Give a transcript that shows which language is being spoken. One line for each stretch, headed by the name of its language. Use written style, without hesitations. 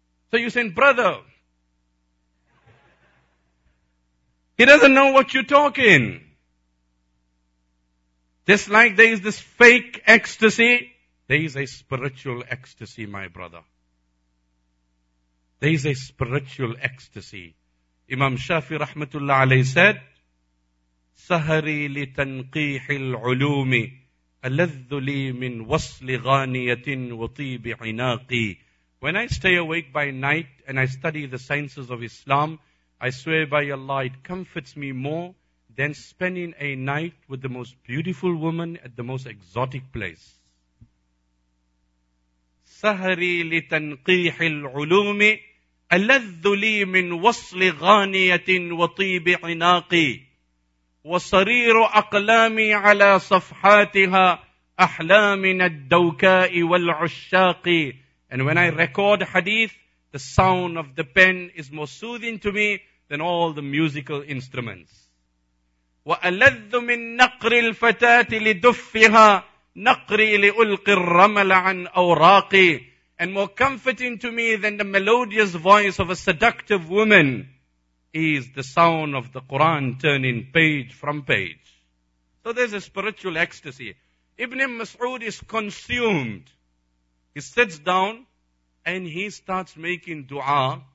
English: So you say, brother, he doesn't know what you're talking. Just like there is this fake ecstasy, there is a spiritual ecstasy, my brother. There is a spiritual ecstasy.
Arabic: Imam Shafi rahmatullah alayhi said, سهري لتنقيح العلوم ألذ لي من وصل غانية وطيب عناقي.
English: When I stay awake by night and I study the sciences of Islam, I swear by Allah, it comforts me more than spending a night with the most beautiful woman at the most exotic place.
Arabic: سهري لتنقيح العلوم ألذ لي من وصل غانية وطيب عناقي وصرير أقلامي على صفحاتها أحلام الدوكاء والعشاق.
English: And when I record hadith, the sound of the pen is more soothing to me than all the musical instruments.
Arabic: وألذ من نقر الفتاة لدفها نقري لألقي الرمل عن أوراقي.
English: And more comforting to me than the melodious voice of a seductive woman is the sound of the Quran turning page from page. So there's a spiritual ecstasy. Ibn Mas'ud is consumed. He sits down and he starts making dua.